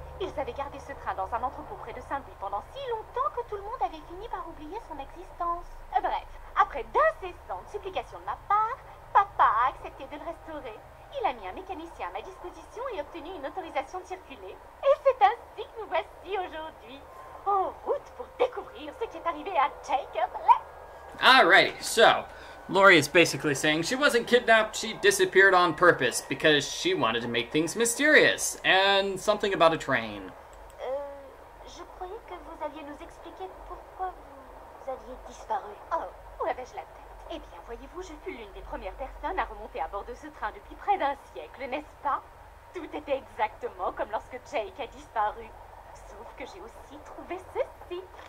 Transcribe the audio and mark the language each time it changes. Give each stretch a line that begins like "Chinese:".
French: Ils avaient gardé ce train dans un entrepôt près de Saint-Louis pendant si longtemps que tout le monde avait fini par oublier son existence. Bref, après d'incessantes supplications de ma part, papa a accepté de le restaurer. Il a mis un mécanicien à ma disposition et obtenu une autorisation de circuler. Et c'est ainsi que nous voici aujourd'hui, en route pour découvrir ce qui est arrivé à Jacob.
English: Alrighty, so, Lori is basically saying she wasn't kidnapped, she disappeared on purpose because she wanted to make things mysterious and something about a train.
French: Je croyais que vous alliez nous expliquer pourquoi vous aviez disparu. Oh, où avais-je la tête? Eh bien, voyez-vous, je fus l'une des premières personnes à remonter à bord de ce train depuis près d'un siècle, n'est-ce pas? Tout était exactement comme lorsque Jake a disparu. Sauf que j'ai aussi trouvé ceci.